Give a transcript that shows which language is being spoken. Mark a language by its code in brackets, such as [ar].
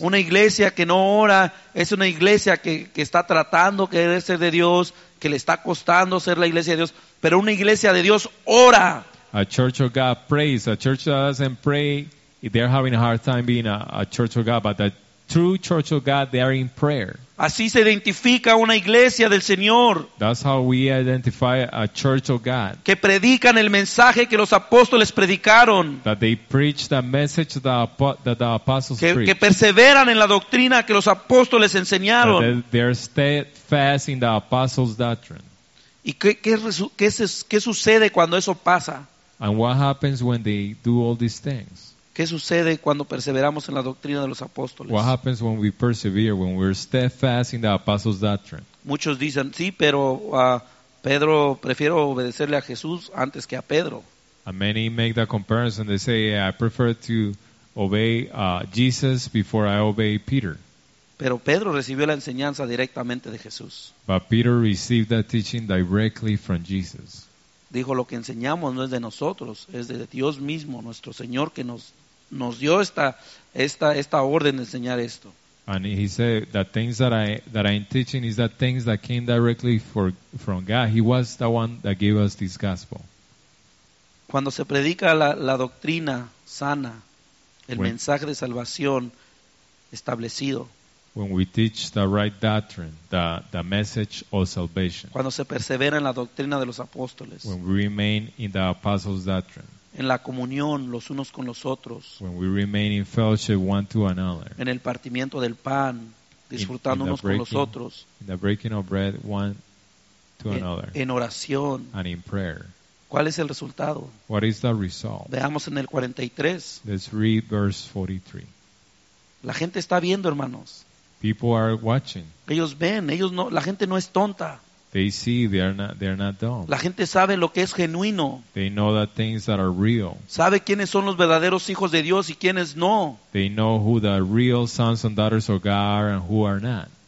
[es] Una iglesia que no ora, es una iglesia que está tratando de querer ser de Dios, que le está costando ser la iglesia de Dios, pero una iglesia de Dios ora. [en] A church of God prays. A church that doesn't pray, they're having a hard time being a church of God, but that true church of God, they are in prayer. [es] Así se identifica una iglesia del Señor. [en] That's how we identify a church of God. [es] Que predican el mensaje que los apóstoles predicaron. [en] That they preach the message that the apostles que, preach. [es] Que perseveran en la doctrina que los apóstoles enseñaron. [en] That they're steadfast in the apostles' doctrine. [es] ¿Y qué sucede cuando eso pasa? [en] And what happens when they do all these things? [es] ¿Qué sucede cuando perseveramos en la doctrina de los apóstoles? [en] What happens when we persevere, when we're steadfast in the apostles' doctrine? [es] Muchos dicen, sí, pero Pedro, prefiero obedecerle a Jesús antes que a Pedro. [en] And many make that comparison. They say, I prefer to obey Jesus before I obey Peter. [es] Pero Pedro recibió la enseñanza directamente de Jesús. [en] But Peter received that teaching directly from Jesus. [es] Dijo, lo que enseñamos no es de nosotros, es de Dios mismo, nuestro Señor, que nos dio esta orden de enseñar esto. [en] And he said, the things that I am teaching is the things that came directly from God. He was the one that gave us this gospel. [es] Cuando se predica la doctrina sana, el mensaje de salvación establecido, [en] when we teach the right doctrine, the message of salvation. [es] Cuando se persevera en la doctrina de los apóstoles. [en] When we remain in the apostles' doctrine. [es] En la comunión los unos con los otros. [en] When we remain in fellowship one to another. [es] En el partimiento del pan, disfrutando unos con los otros. [en] In the breaking of bread one to another. [es] En oración. [en] And in prayer. [es] ¿Cuál es el resultado? [en] What is the result? [es] Veamos en el 43. [en] Let's read verse 43. [es] La gente está viendo, hermanos. [en] People are watching. [es] Ellos ven, ellos no, la gente no es tonta. [en] They see, they're not dumb. [es] La gente sabe lo que es genuino. [en] They know that things that are real. [es] Sabe quiénes son los verdaderos hijos de Dios y quiénes no. [en] They know who the real sons and daughters of God are and who are not.